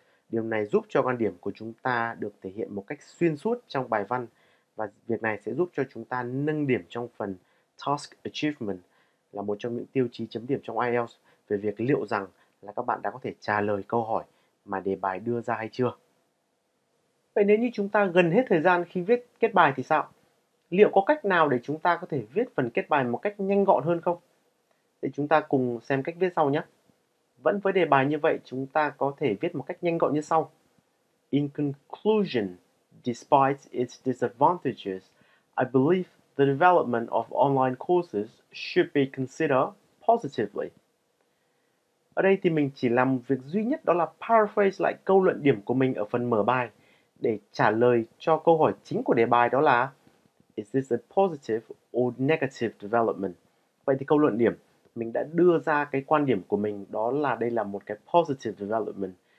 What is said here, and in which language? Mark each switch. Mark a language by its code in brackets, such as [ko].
[vi] Điều này giúp cho quan điểm của chúng ta được thể hiện một cách xuyên suốt trong bài văn, và việc này sẽ giúp cho chúng ta nâng điểm trong phần task achievement, là một trong những tiêu chí chấm điểm trong IELTS về việc liệu rằng là các bạn đã có thể trả lời câu hỏi mà đề bài đưa ra hay chưa. Vậy nếu như chúng ta gần hết thời gian khi viết kết bài thì sao? Liệu có cách nào để chúng ta có thể viết phần kết bài một cách nhanh gọn hơn không? Để chúng ta cùng xem cách viết sau nhé. Vẫn với đề bài như vậy, chúng ta có thể viết một cách nhanh gọn như sau. [en] In conclusion, despite its disadvantages, I believe the development of online courses should be considered positively. [vi] Ở đây thì mình chỉ làm việc duy nhất đó là paraphrase lại câu luận điểm của mình ở phần mở bài để trả lời cho câu hỏi chính của đề bài đó là [en] Is this a positive or negative development? [vi] Vậy thì câu luận điểm, mình đã đưa ra cái quan điểm của mình đó là đây là một cái positive development.